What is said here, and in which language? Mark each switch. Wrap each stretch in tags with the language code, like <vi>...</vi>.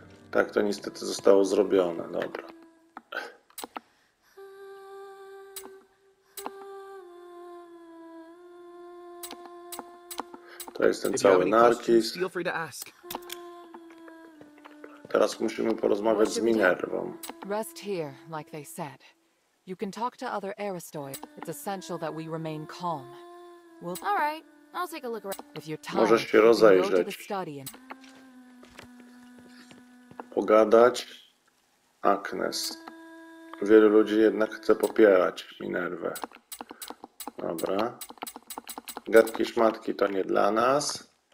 <pl>Tak to niestety zostało zrobione, dobra. To jest ten cały Narkis. Teraz musimy porozmawiać z Minerwą.</pl> <en>Rest here, like they said. You can talk to other Aristoi. It's essential that we remain calm. Well, all right. I'll take a look around. If you're tired,</en> <pl>możesz się rozejrzeć. Pogadać. Agnes. Wielu ludzi jednak chce popierać Minerwę. Dobra. Gadki szmatki to nie dla nas.</pl>